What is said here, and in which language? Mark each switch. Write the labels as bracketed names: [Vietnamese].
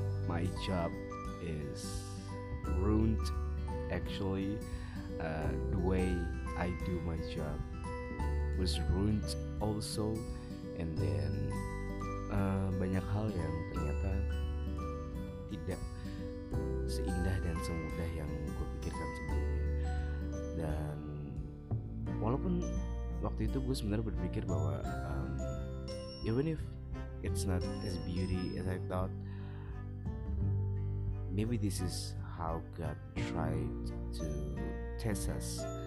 [English] My job is ruined, actually. The way I do my job was ruined also. [Indonesian] And then banyak hal yang ternyata tidak seindah dan semudah yang gue pikirkan sebelumnya. [English] Dan walaupun waktu itu gue sebenarnya berpikir bahwa even if it's not as beauty as I thought, maybe this is how God tried to test us.